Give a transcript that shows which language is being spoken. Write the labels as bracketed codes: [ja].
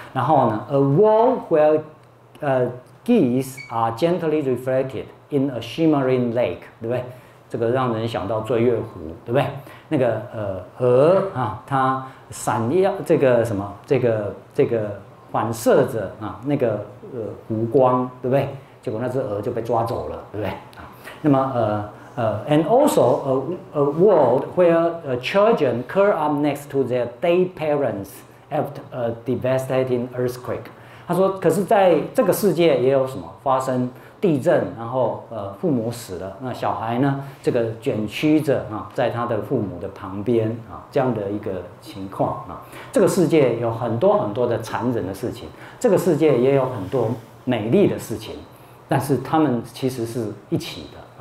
[zh] 然后呢 [en] ，a world where geese are gently reflected in a shimmering lake， [zh] 对不对？这个让人想到醉月湖，对不对？那个鹅啊，它闪耀这个什么？这个反射着那个湖光，对不对？结果那只鹅就被抓走了，对不对？那么 [en] and also a world where children curl up next to their dead parents after a devastating earthquake。 [zh] 他说可是在这个世界也有什么发生地震，然后父母死了，那小孩呢这个卷曲着在他的父母的旁边这样的一个情况这个世界有很多很多的残忍的事情，这个世界也有很多美丽的事情，但是他们其实是一起的。